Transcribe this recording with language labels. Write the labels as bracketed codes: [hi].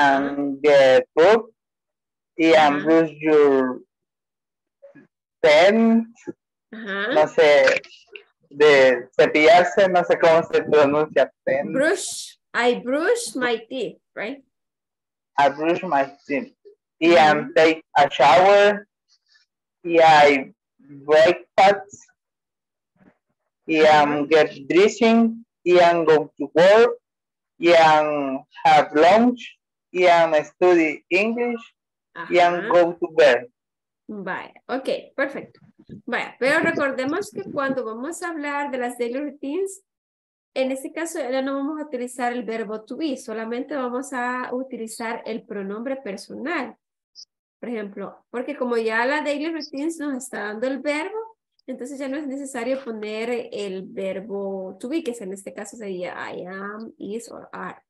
[en] I wake up, I get book, I brush your teeth. Uh-huh. [es] No sé, de cepillarse, no sé cómo se pronuncia. [en] Brush, I brush my teeth, right? I brush my teeth. Uh-huh. I take a shower. I breakfast. Get dressing. I go to work. And have lunch, and study English, uh-huh. And go to bed. [es] Vaya, ok, perfecto. Vaya, pero recordemos que cuando vamos a hablar de las daily routines, en este caso ya no vamos a utilizar el verbo to be, solamente vamos a utilizar el pronombre personal. Por ejemplo, porque como ya la daily routines nos está dando el verbo, entonces ya no es necesario poner el verbo to be, que en este caso sería I am, is, or are.